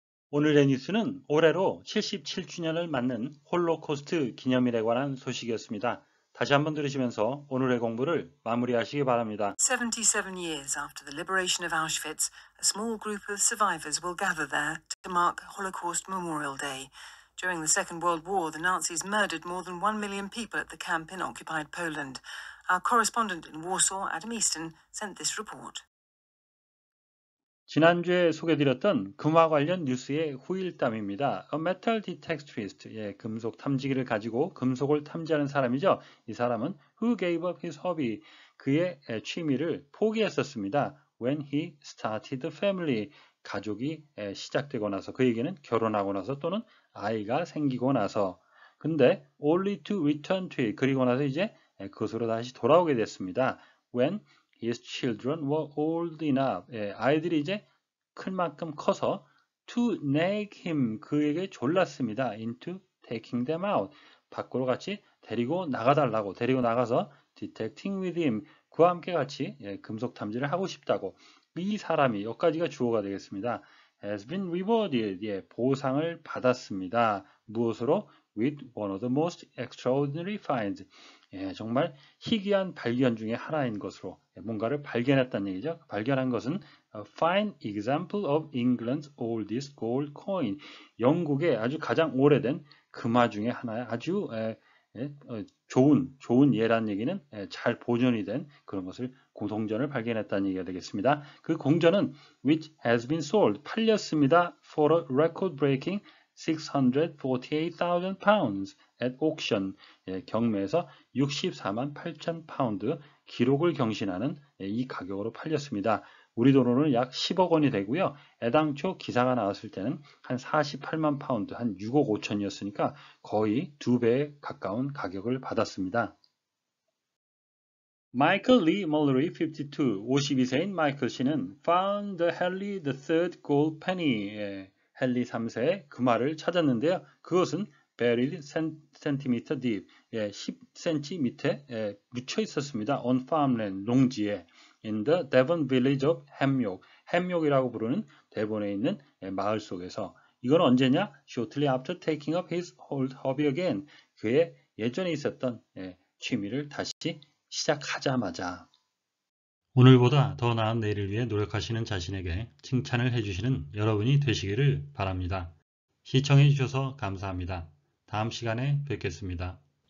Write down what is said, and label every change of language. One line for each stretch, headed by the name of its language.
Korean: 오늘의 뉴스는 올해로 77주년을 맞는 홀로코스트 기념일에 관한 소식이었습니다. 다시 한번 들으시면서 오늘의 공부를 마무리하시기 바랍니다.
English: 77 years after the liberation of Auschwitz, a small group of survivors will gather there to mark Holocaust Memorial Day. During the Second World War, the Nazis murdered more than 1 million people at the camp in occupied Poland. Our correspondent in Warsaw, Adam Easton, sent this report.
Korean: 지난주에 소개드렸던 금화 관련 뉴스의 후일담입니다.
English: A metal detectorist,
Korean: 예, 금속 탐지기를 가지고 금속을 탐지하는 사람이죠. 이 사람은
English: who gave up his hobby,
Korean: 그의 취미를 포기했었습니다.
English: When he started the family,
Korean: 가족이 시작되고 나서, 그 얘기는 결혼하고 나서 또는 아이가 생기고 나서. 근데
English: only to return to it,
Korean: 그리고 나서 이제 그것으로 다시 돌아오게 됐습니다.
English: When his children were old enough.
Korean: 예, 아이들이 이제 클 만큼 커서
English: to nag him,
Korean: 그에게 졸랐습니다.
English: into taking them out.
Korean: 밖으로 같이 데리고 나가달라고, 데리고 나가서
English: detecting with him,
Korean: 그와 함께 같이 예, 금속 탐지를 하고 싶다고. 이 사람이, 여기까지가 주어가 되겠습니다.
English: has been rewarded.
Korean: 예, 보상을 받았습니다. 무엇으로?
English: with one of the most extraordinary finds.
Korean: 예, 정말 희귀한 발견 중에 하나인 것으로, 예, 뭔가를 발견했다는 얘기죠. 발견한 것은
English: a fine example of England's oldest gold coin.
Korean: 영국의 아주 가장 오래된 금화 중에 하나의 아주 좋은 예라는 얘기는 잘 보존이 된 그런 것을 공동전을 발견했다는 얘기가 되겠습니다. 그 공전은
English: which has been sold,
Korean: 팔렸습니다.
English: for a record-breaking 648,000 pounds at auction.
Korean: 예, 경매에서 64만 8천 파운드 기록을 경신하는 예, 이 가격으로 팔렸습니다. 우리 돈으로는 약 10억 원이 되고요. 애당초 기사가 나왔을 때는 한 48만 파운드, 한 6억 5천이었으니까 거의 두 배에 가까운 가격을 받았습니다.
English: Michael Lee Mullery, 52,
Korean: 52세인 마이클 씨는
English: found the Henry III gold penny.
Korean: 예. 헨리 3세의 금화를 찾았는데요. 그것은
English: buried centimeter deep,
Korean: 예, 10cm 예, 묻혀 있었습니다.
English: on farmland,
Korean: 농지에.
English: in the Devon village of Hemyok.
Korean: Hemyok이라고 부르는 대본에 있는 예, 마을 속에서. 이건 언제냐?
English: shortly after taking up his old hobby again.
Korean: 그의 예전에 있었던 예, 취미를 다시 시작하자마자. 오늘보다 더 나은 내일을 위해 노력하시는 자신에게 칭찬을 해주시는 여러분이 되시기를 바랍니다. 시청해주셔서 감사합니다. 다음 시간에 뵙겠습니다.